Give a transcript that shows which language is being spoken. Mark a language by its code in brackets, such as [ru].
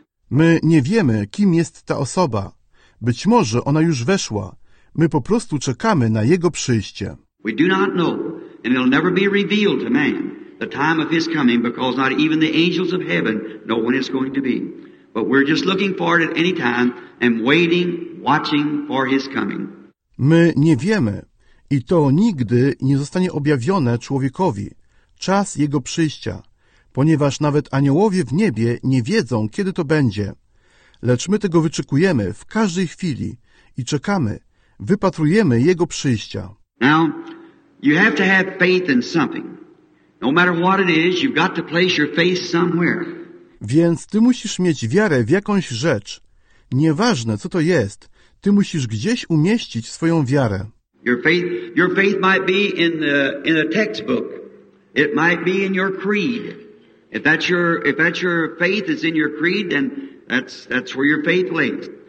[pl] My nie wiemy, kim jest ta osoba. Być może ona już weszła. My po prostu czekamy na Jego przyjście. [en] We do not know, and it'll never be revealed to man, the time of His coming, because not even the angels of heaven know when it's going to be. But we're just looking for it at any time and waiting, watching for His coming. [pl] My nie wiemy i to nigdy nie zostanie objawione człowiekowi, czas Jego przyjścia, ponieważ nawet aniołowie w niebie nie wiedzą, kiedy to będzie. Lecz my tego wyczekujemy w każdej chwili i czekamy, wypatrujemy Jego przyjścia. [en] Now, you have to have faith in something. No matter what it is, you've got to place your faith somewhere. [pl] Więc ty musisz mieć wiarę w jakąś rzecz. Nieważne, co to jest, ty musisz gdzieś umieścić swoją wiarę. [en] Your faith might be in a textbook. It might be in your creed. If that's your faith is in your creed, then that's where your faith lays.